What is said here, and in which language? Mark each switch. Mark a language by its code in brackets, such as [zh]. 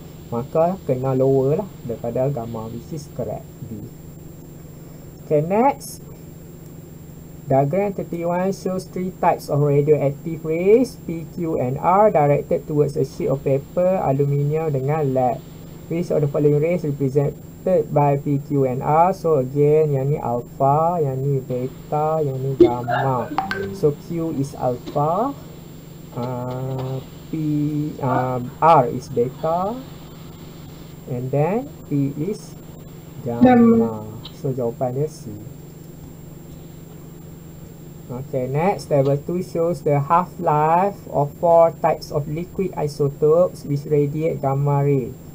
[ms] Maka kena lower lah daripada gamma, [en] which is correct B. Okay, next. Diagram 31 shows three types of radioactive rays, P, Q and R, directed towards a sheet of paper, aluminium dengan lead. Which of the following rays represented by P, Q and R? [ms] So again, yang ni alpha, yang ni beta, yang ni gamma. [en] So Q is alpha, R is beta, and then P is gamma. [ms] So jawapan dia C. [en] Okay, next, table 2 shows the half-life of 4 types of liquid isotopes which radiate gamma ray.